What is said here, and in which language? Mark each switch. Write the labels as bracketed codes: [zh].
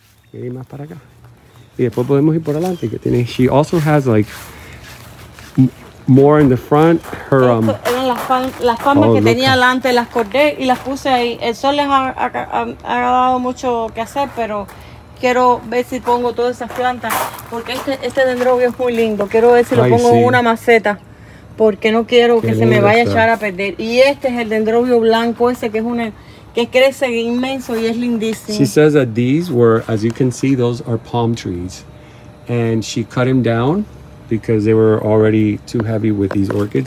[en] She also has like more in the front, her [es] las puse ahí. El sol les ha dado mucho que hacer, pero quiero ver si pongo todas esas plantas, porque este dendrobio es muy lindo. Quiero ver si lo pongo en una maceta, porque no quiero que se me vaya a echar a perder. Y este es el dendrobio blanco ese, que es una, que crece inmenso y es lindísimo. [en] She says that these were, as you can see, those are palm trees. And she cut them down because they were already too heavy with these orchids.